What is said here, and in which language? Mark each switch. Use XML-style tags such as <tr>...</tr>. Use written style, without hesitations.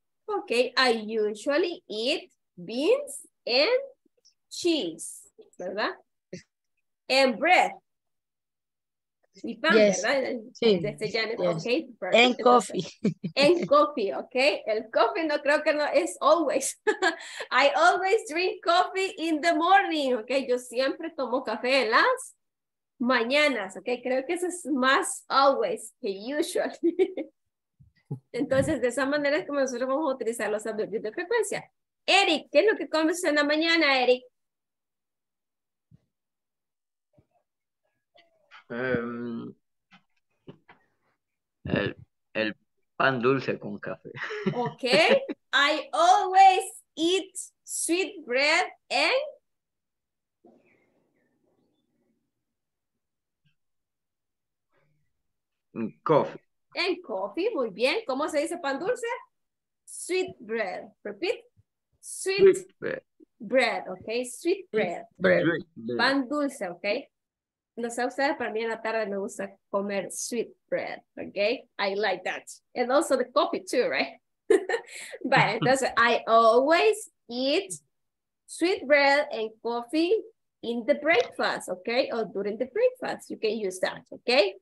<en>Okay, I usually eat beans and cheese,</en> <es>¿verdad?</es> <en>And bread.</en> <es>Y pan,</es> <en>yes.</en> <es>¿Verdad? Sí.</es> <en>Yes. Okay. Perfect. And coffee. And coffee, okay.</en> <es>El coffee no creo que no es always.</es> <en>I always drink coffee in the morning, okay.</en> <es>Yo siempre tomo café en las mañanas, ok, creo que eso es más always que usually. Entonces, de esa manera es como nosotros vamos a utilizar los adverbios de frecuencia. Eric, ¿qué es lo que comes en la mañana, Eric? El pan dulce con café.</es> <en>Ok, I always eat sweet bread and coffee.</en> <es>En coffee, muy bien. ¿Cómo se dice pan dulce?</es> <en>Sweet bread. Repeat. Sweet bread. Ok. Sweet bread.</en> <es>Pan dulce,</es> <en>ok.</en> <es>No sé ustedes, para mí en la tarde me gusta comer sweet bread.</es> <en>Ok. I like that. And also the coffee too, right? But</en> <es>entonces,</es> <en>I always eat sweet bread and coffee in the breakfast, okay, or during the breakfast, you can use that, okay?</en>